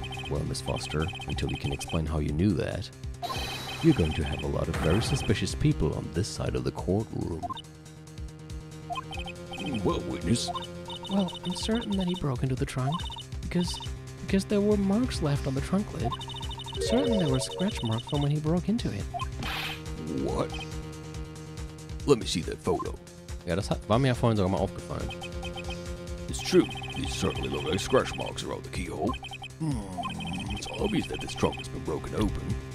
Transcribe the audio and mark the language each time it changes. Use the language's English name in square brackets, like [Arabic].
[English] Well, Miss Foster, until you can explain how you knew that, you're going to have a lot of very suspicious people on this side of the courtroom. Well, witness. Well, I'm certain that he broke into the trunk. Because there were marks left on the trunk lid. I'm certain there were scratch marks from when he broke into it. What? Let me see that photo. [German] Ja, das war mir ja vorhin sogar mal aufgefallen. [English] It's true. These certainly look like scratch marks around the keyhole. It's obvious that this trunk has been broken open.